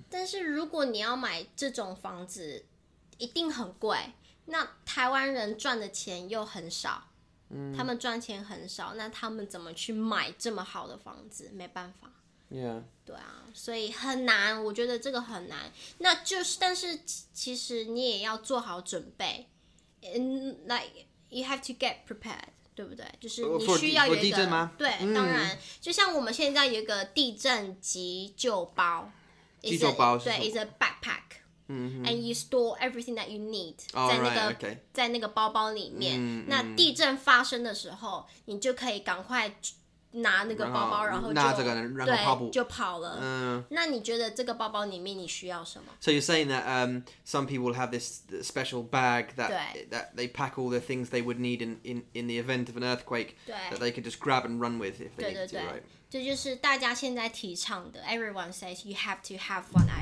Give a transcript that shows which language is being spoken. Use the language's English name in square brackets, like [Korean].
[Chinese] 但是如果你要买这种房子一定很贵那台湾人赚的钱又很少他们赚钱很少，那他们怎么去买这么好的房子？没办法。 [English] Yeah. [Chinese] 对啊，所以很难，我觉得这个很难。那就是，但是其实你也要做好准备。 [English] And like you have to get prepared， [Chinese] 对不对？就是你需要有一个地震吗？对，当然，就像我们现在有一个地震急救包。急救包是什么？对 [English] ，it's a backpack。 Mm-hmm. And you store everything that you need、 oh, [Chinese] 在那个 [English] right, okay. [Chinese] 在那个包包里面。 Mm-hmm. 那地震发生的时候，你就可以赶快拿那个包包，然后跑了。那你觉得这个包包里面你需要什么 [English] ？So you're saying that some people have this special bag that they pack all the things they would need in the event of an earthquake that they could just grab and run with if they need to, right? [Chinese] 这就是大家现在提倡的。 [English] Everyone says you have to have one item.